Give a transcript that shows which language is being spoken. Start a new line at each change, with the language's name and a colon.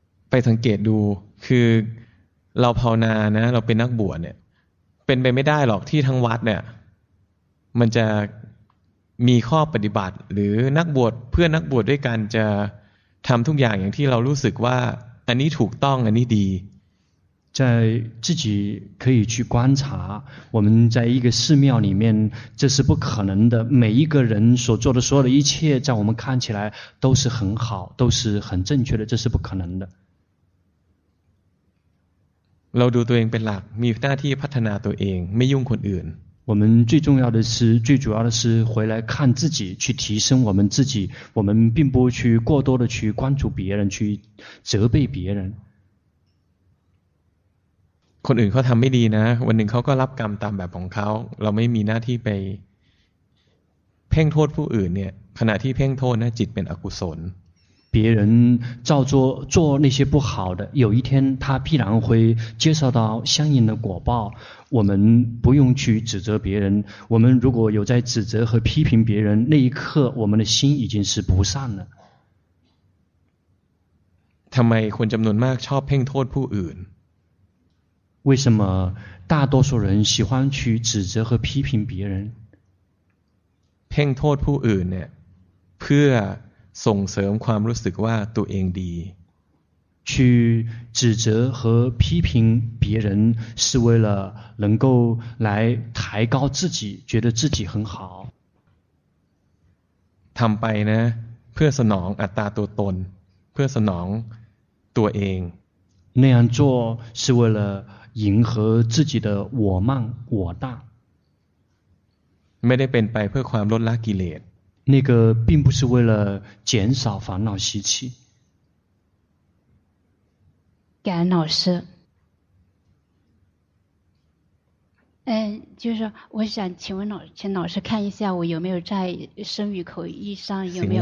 Thai: ไปสังเกตดูคือเราภาวนานะเราเป็นนักบวชเนี่ยเป็นไปไม่ได้หรอกที่ทั้งวัดเนี่ยมันจะมีข้อปฏิบัติหรือนักบวชเพื่อนนักบวชด้วยกันจะทำทุกอย่างอย่างที่เรารู้สึกว่าอันนี้ถูกต้องอันนี้ดี
Chinese: 在自己可以去观察我们在一个寺庙里面这是不可能的每一个人所做的所有的一切在我们看起来都是很好都是很正确的这是不可能的
Thai: เราดูตัวเองเป็นหลักมีหน้าที่พัฒนาตัวเองไม่ยุ่งคนอื่น
Chinese: 我们最重要的是最主要的是回来看自己去提升我们自己我们并不去过多的去关注别人去责备别人
Thai: คนอื่นเขาทำไม่ดีนะวันหนึ่งเขาก็รับกรรมตามแบบของเขาเราไม่มีหน้าที่ไปเพ่งโทษผู้อื่นเนี่ยขณะที่เพ่งโทษนะจิตเป็นอกุศล
Chinese: 别人照做做那些不好的有一天他必然会接受到相应的果报我们不用去指责别人我们如果有在指责和批评别人那一刻我们的心已经是不善了
Thai: ทำไมคนจำนวนมากชอบเพ่งโทษผู้อื่น
Chinese: 为什么大多数人喜欢去指责和批评别人
Thai: เพ่งโทษผู้อื่นเนี่ยเพื่อส่งเสริมความรู้สึกว่าตัวเองดี
Chinese: 去指责和批评别人是为了能够来抬高自己觉得自己很好
Thai: ทำไปนะเพื่อสนองอัตตาตัวตนเพื่อสนองตัวเอง
Chinese: 那样做是为了迎合自己的我慢我大
Thai: ไม่ได้เป็นไปเพื่อความลดละกิเลส
Chinese: 那个并不是为了减少烦恼习气。感恩老师。就是我想请问老请老师看一下我有没有在声语口语上有没有。